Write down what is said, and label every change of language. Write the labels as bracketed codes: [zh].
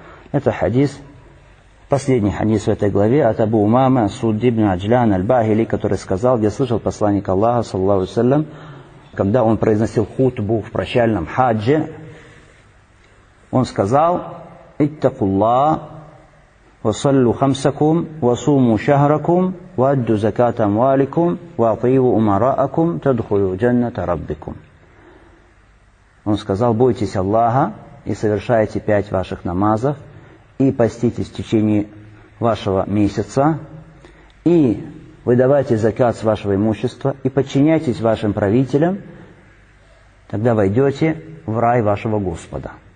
[ru] Это хадис, последний хадис в этой главе, от Абу Умамы, Ас-Судди ибн Аджлян аль-Бахили, который сказал, где слышал посланник Аллаха, саллаллаху алейхи, когда он произносил хутбу в прощальном хаджи, он сказал, «Иттакуллах, [ar] وصلوا خمسكم وصوموا شهركم وأدوا زكاة أموالكم وأطيعوا أمراءكم تدخلوا جنة ربكم. [ru] Он сказал: бойтесь Аллаха и совершайте пять ваших намазов и поститесь в течение вашего месяца и выдавайте закат с вашего имущества и подчиняйтесь вашим правителям, тогда войдете в рай вашего Господа.